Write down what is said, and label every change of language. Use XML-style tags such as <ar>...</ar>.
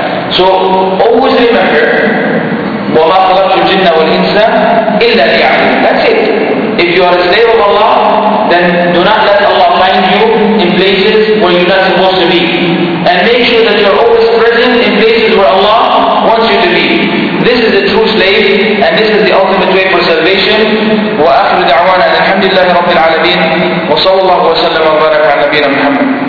<en>So always remember,</en> <ar>وما خلقت الجن والإنس إلا ليعبدون.</ar> <en>That's it. If you are a slave of Allah, then do not let Allah find you in places where you're not supposed to be. And make sure that you're always present in places where Allah wants you to be. This is the true slave, and this is the ultimate way for salvation.</en> <ar>وآخر دعوانا الحمد لله رب العالمين وصلى الله وسلم وبارك على نبينا محمد.</ar>